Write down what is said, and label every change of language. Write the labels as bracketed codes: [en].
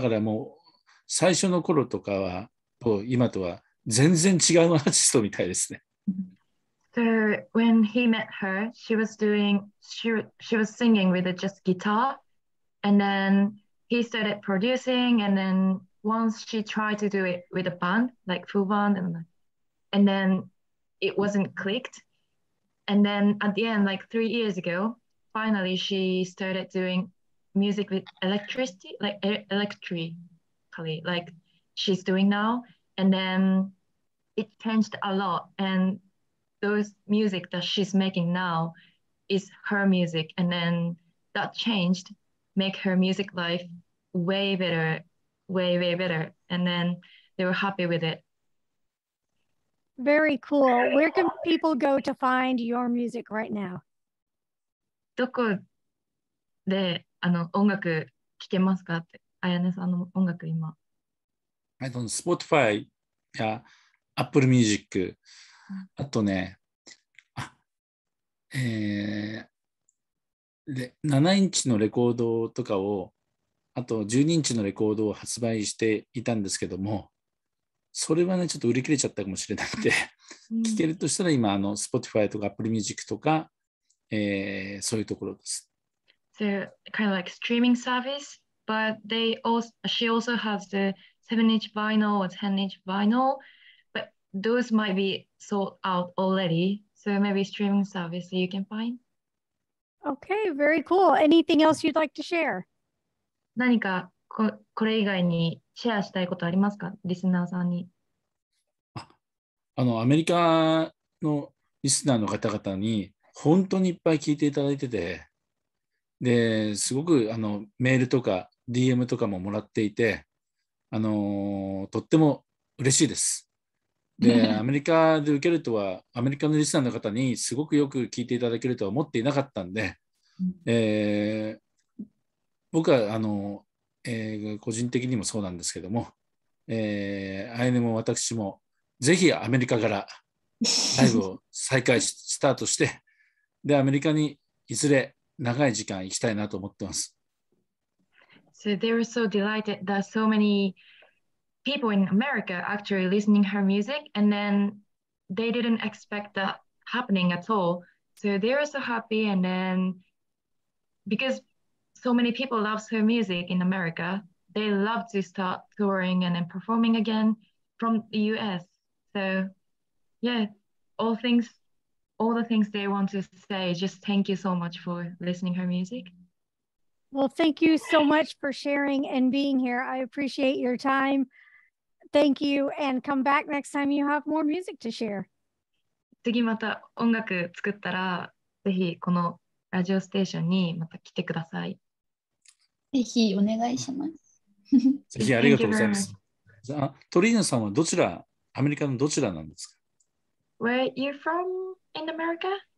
[ja] だからもう最初の頃とかは今とは全然違うアーティストみたいですね。 [en] So when he met her, she was singing with just guitar, and then he started producing, and then once she tried to do it with a band, like full band, and then it wasn't clicked. And then at the end, like 3 years ago, finally she started doing music with electricity, like electrically, like she's doing now. And then it changed a lot, and those music that she's making now is her music, and then that changed make her music life way better, way, way better. And then they were happy with it. Very cool. Where can people go to find your music right now? [ja] どこで音楽聴けますかって、あやねさんの音楽今。 Spotify や Apple Music、あとね、7インチのレコードとかを、あと12インチのレコードを発売していたんですけども、それはねちょっと売り切れちゃったかもしれないんで、聴けるとしたら今Spotify とか Apple Music とか、そういうところです。 [en] So kind of like streaming service, but she also has the 7 inch vinyl or 10 inch vinyl, but those might be sold out already, so maybe streaming service you can find. Okay, very cool. Anything else you'd like to share? [ja] 何か これ以外にシェアしたいことありますか、リスナーさんに。アメリカのリスナーの方々に本当にいっぱい聞いていただいてて、ですごくメールとか DM とかももらっていて、とっても嬉しいです。でアメリカで受けるとは、アメリカのリスナーの方にすごくよく聞いていただけるとは思っていなかったんで、僕は個人的にもそうなんですけども、アイネも私もぜひアメリカからライブを再開しスタートして、でアメリカにいずれ長い時間行きたいなと思ってます。 [en] So they were so delighted that so many people in America actually listening her music, and then they didn't expect that happening at all. So they were so happy, and then becauseSo many people love her music in America. They love to start touring and then performing again from the US. So, yeah, all the things they want to say, just thank you so much for listening her music. Well, thank you so much for sharing and being here. I appreciate your time. Thank you, and come back next time you have more music to share. [ja] 次また音楽作ったら、ぜひこのラジオステーションにまた来てください。ぜひお願いします。ぜひありがとうございます。トリーナさんはどちら、アメリカのどちらなんですか？ [en] Where are you from in America?